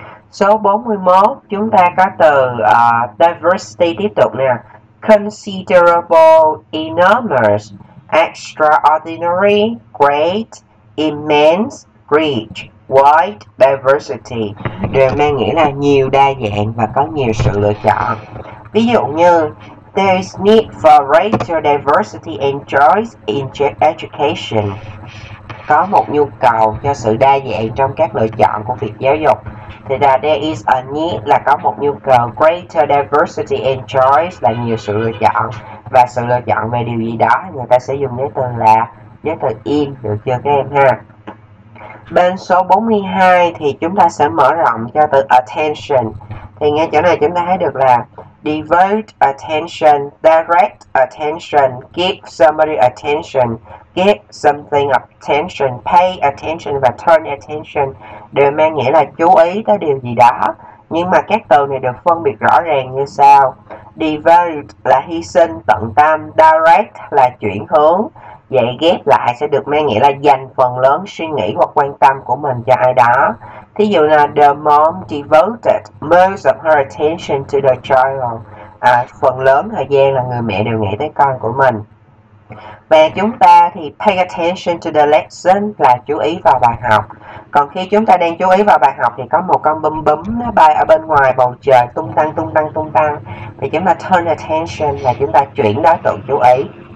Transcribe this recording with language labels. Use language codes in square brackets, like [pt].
[vi] Số 41, chúng ta có từ diversity tiếp tục nè. [en] Considerable, enormous, extraordinary, great, immense, rich, wide diversity [vi] đều mang nghĩa là nhiều đa dạng và có nhiều sự lựa chọn. Ví dụ như [en] there is need for greater diversity and choice in education. [vi] Có một nhu cầu cho sự đa dạng trong các lựa chọn của việc giáo dục. Thì là [en] there is a need [vi] là có một nhu cầu, [en] greater diversity and choice [vi] là nhiều sự lựa chọn. Và sự lựa chọn về điều gì đó, người ta sẽ dùng giới từ là, giới từ in, được chưa các em ha? Bên số 42 thì chúng ta sẽ mở rộng cho từ attention. Thì ngay chỗ này chúng ta thấy được là [en] devote attention, direct attention, give somebody attention, give something attention, pay attention và turn attention [vi] đều mang nghĩa là chú ý tới điều gì đó. Nhưng mà các từ này được phân biệt rõ ràng như sau. Devote là hy sinh, tận tâm, direct là chuyển hướng. Vậy ghép lại sẽ được mang nghĩa là dành phần lớn suy nghĩ hoặc quan tâm của mình cho ai đó. Thí dụ là [en] the mom devoted most of her attention to the child. [vi] Phần lớn thời gian là người mẹ đều nghĩ tới con của mình. Và chúng ta thì [en] pay attention to the lesson [vi] là chú ý vào bài học. Còn khi chúng ta đang chú ý vào bài học thì có một con bướm bướm nó bay ở bên ngoài bầu trời tung tăng tung tăng tung tăng. Thì chúng ta turn attention là chúng ta chuyển đối tượng chú ý.